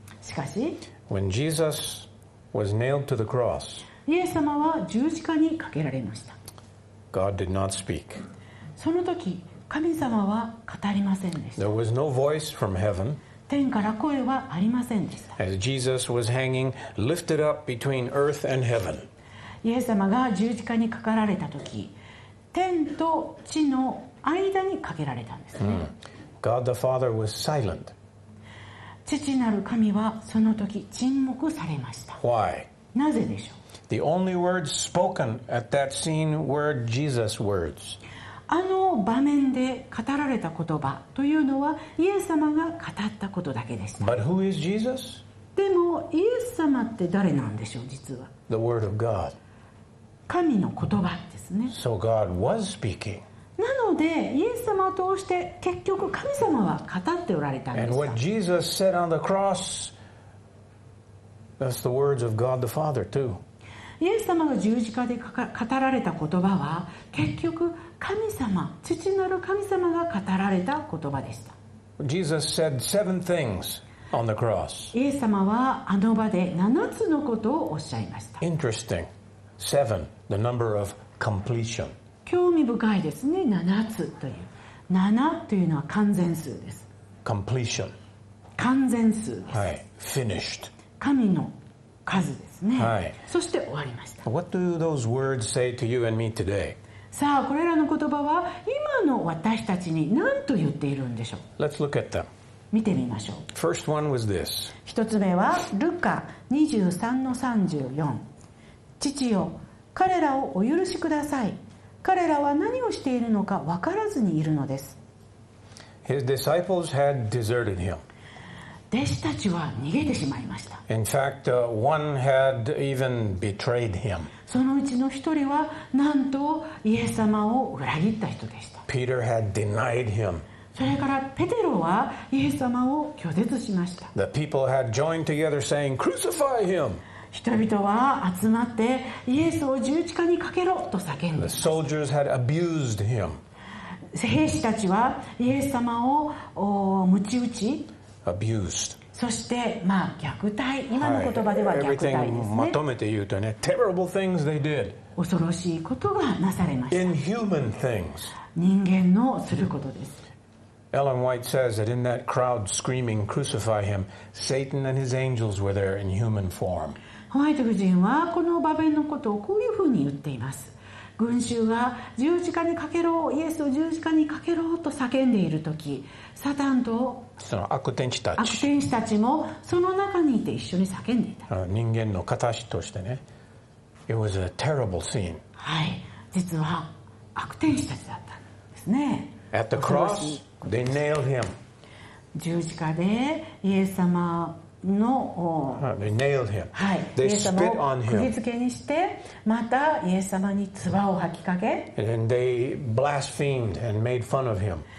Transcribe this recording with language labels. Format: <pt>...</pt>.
<ja>しかし、</ja> <en>when Jesus was nailed to the cross,</en> <ja>イエス様は十字架にかけられました。</ja> <en>God did not speak.</en> <ja>その時、神様は語りませんでした。</ja> <en>There was no voice from heaven.</en> <ja>天から声はありませんでした。</ja> <en>As Jesus was hanging, lifted up between earth and heaven.</en> <ja>イエス様が十字架にかかられた時、天と地の間にかけられたんですね。 Mm.</ja> <en>God the Father was silent.</en> <ja>父なる神はその時沈黙されました。</ja> <en>Why?</en> <ja>なぜでしょう。</ja> <en>The only words spoken at that scene were Jesus' words.</en> <ja>あの場面で語られた言葉というのはイエス様が語ったことだけでした。</ja> <en>But who is Jesus?</en> <ja>でもイエス様って誰なんでしょう。実は</ja> <en>The word of God.</en> <ja>神の言葉ですね。</ja> <en>So God was speaking.</en> <ja>なのでイエス様を通して結局神様は語っておられたんです。</ja> <en>And what Jesus said on the cross, that's the words of God the Father too.</en> <ja>イエス様が十字架で語られた言葉は結局神様、父なる神様が語られた言葉でした。</ja> <en>Jesus said seven things on the cross.</en> <ja>イエス様はあの場で七つのことをおっしゃいました。</ja> <en>Interesting. Seven, the number of completion.</en> <ja>興味深いですね。 7つという、7というのは完全数です。</ja> <en>completion</en> <ja>完全数です、</ja> <en>はい、finished</en> <ja>神の数ですね、はい、そして終わりました。</ja> <en>What do those words say to you and me today?</en> <ja>さあ、これらの言葉は今の私たちに何と言っているんでしょう。</ja> <en>Let's look at them.</en> <ja>見てみましょう。</ja> <en>First one was this.</en> <ja>一つ目はルカ 23-34、 父よ、彼らをお許しください。彼らは何をしているのか分からずにいるのです。</ja> <en>His disciples had deserted him.</en> <ja>弟子たちは逃げてしまいました。</ja> <en>In fact, one had even betrayed him.</en> <ja>そのうちの一人はなんとイエス様を裏切った人でした。</ja> <en>Peter had denied him.</en> <ja>それからペテロはイエス様を拒絶しました。</ja> <en>The people had joined together saying, "Crucify him!"</en> <ja>人々は集まってイエスを十字架にかけろと叫んでいます。</ja> <en>The soldiers had abused him.</en> <ja>兵士たちはイエス様を鞭打ち、</ja> <en>abused.</en> <ja>そして、まあ、虐待、今の言葉では虐待ですね。</ja> <en>Everything</en> <ja>まとめて言うとね、</ja> <en>terrible things they did.</en> <ja>恐ろしいことがなされました。</ja> <en>Inhuman things.</en> <ja>人間のすることです。</ja> <en>Ellen White says that in that crowd screaming, "Crucify him," Satan and his angels were there in human form.</en> <ja>ホワイト夫人はこの場面のことをこういうふうに言っています。群衆が十字架にかけろ、イエスを十字架にかけろと叫んでいるとき、サタンとその悪天使たちもその中にいて一緒に叫んでいた。人間の形としてね。</ja> <en>It was a terrible scene.</en> <ja>はい、実は悪天使たちだったんですね。</ja> <en>At the cross, they nailed him.</en> <ja>十字架でイエス様の、</ja> <en>They nailed him.</en> <ja>はい、</ja> <en>They spit on him.</en> <ja>釘付けにして、またイエス様に唾を吐きかけ、</ja> <en>And they blasphemed and made fun of him.</en>